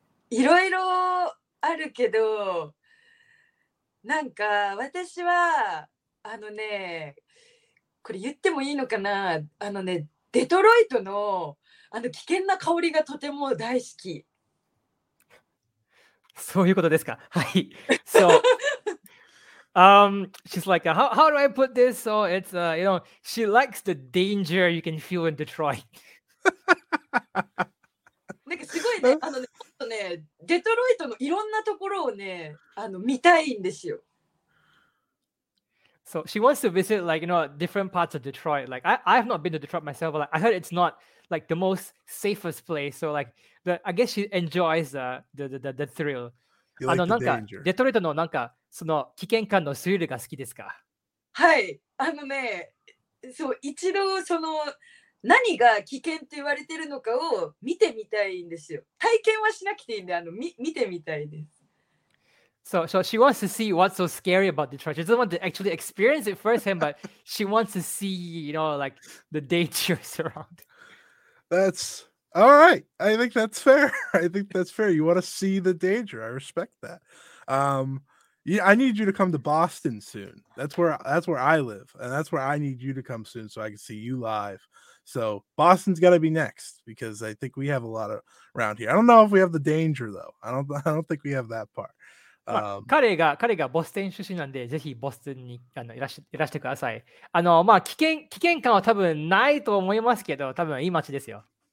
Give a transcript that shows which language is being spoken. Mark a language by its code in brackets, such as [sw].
[ja] いろいろあるけど、なんか私は、あのね、これ言ってもいいのかな、あのね、デトロイトのあの危険な香りがとても大好き。そういうことですか。はい。 [en] So, she's like, how do I put this? So it's, you know, she likes the danger you can feel in Detroit. [ja] なんかすごいね、あのね、ちょっとね、デトロイトのいろんなところをね、あの見たいんですよ。 [en] So she wants to visit, like, you know, different parts of Detroit. Like, I have not been to Detroit myself, but like, I heard it's not. Like the most safest place, so like the I guess she enjoys the thrill. You like the danger. [ja] Detroit のなんかその危険感のスリルが好きですか？はい、あのね、そう一度その何が危険って言われてるのかを見てみたいんですよ。体験はしなくていいんで、あの見てみたいです。 [en] So she wants to see what's so scary about Detroit. She doesn't want to actually experience it firsthand, but she wants to see, you know, like the dangers around. That's all right. I think that's fair. I think that's fair. You want to see the danger. I respect that. Yeah, I need you to come to Boston soon. That's where I live. And that's where I need you to come soon so I can see you live. So Boston's got to be next because I think we have a lot of around here. I don't know if we have the danger, though. I don't think we have that part. [ja] 彼がボストン出身なんで、ぜひボストンにあのいらしてください。あの、まあ、危険感は多分ないと思いますけど、多分いい街ですよ。